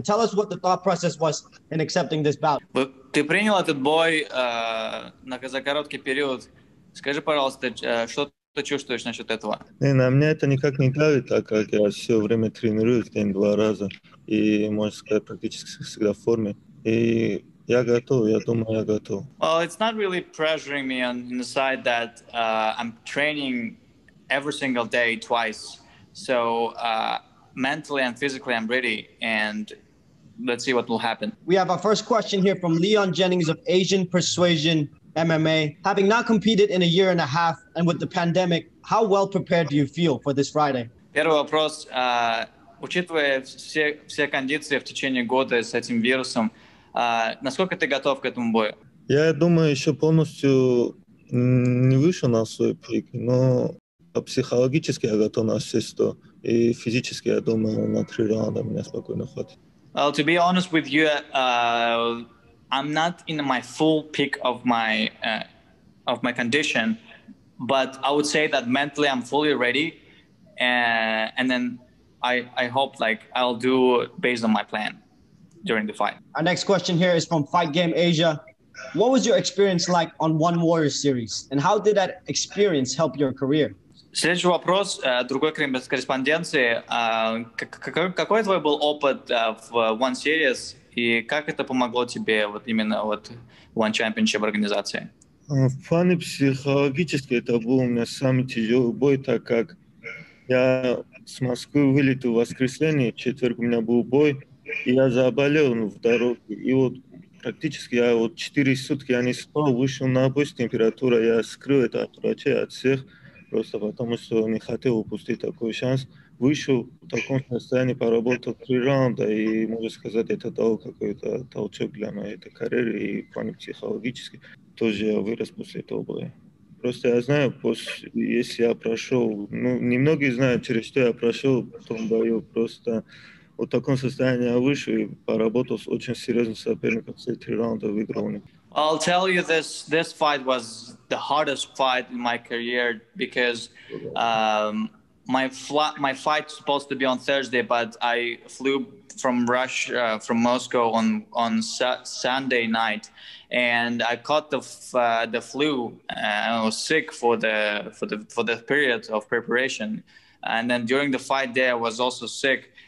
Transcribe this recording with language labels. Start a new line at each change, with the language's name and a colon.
English: Tell us what the thought process was in accepting this bout.
Russian: Ты принял этот бой за короткий период. Скажи, пожалуйста, что ты чувствуешь насчет этого? На меня это никак не давит, так как я все время тренируюсь, день-два раза. И, можно сказать, практически всегда в форме. И я готов, я думаю, я готов.
English: Well, it's not really pressuring me on the side that I'm training every single day twice. So mentally and physically I'm ready, and let's see what will happen. We have our first question here from Leon Jennings of Asian Persuasion MMA. Having not competed in a year and a half and with the pandemic, how well prepared do you feel for this Friday?
Russian: Первый вопрос. Учитывая все кондиции в течение года с этим вирусом, насколько ты готов к этому бою? Я думаю, еще полностью не вышел на свой пик, но психологически я готов на все 100, и физически, я думаю, на 3 раунда меня спокойно хватит.
English: Well, to be honest with you, I'm not in my full peak of my condition, but I would say that mentally I'm fully ready, and then I hope like I'll do based on my plan during the fight. Our next question here is from Fight Game Asia. What was your experience like on One Warrior Series, and how did that experience help your career?
Russian: Следующий вопрос другой корреспонденции. Какой твой был опыт в One Series и как это помогло тебе вот именно вот One Championship организации? В плане психологически это был у меня самый тяжелый бой, так как я с Москвы вылетел в воскресенье, в четверг у меня был бой, и я заболел в дороге. И вот практически я вот 4 сутки я не спал, вышел на бой с температурой, я скрыл это от врачей, от всех. Просто потому что не хотел упустить такой шанс. Вышел в таком состоянии, поработал 3 раунда, и, можно сказать, это дал какой-то толчок для моей этой карьеры, и в плане психологически тоже я вырос после этого боя. Просто я знаю, если я прошел, немногие знают, через что я прошел в том бою, просто вот в таком состоянии я вышел и поработал с очень серьезным соперником, все 3 раунда выиграл.
English: I'll tell you this fight was the hardest fight in my career because my fight was supposed to be on Thursday, but I flew from Russia, from Moscow on Sunday night, and I caught the flu and I was sick for the period of preparation, and then during the fight day I was also sick.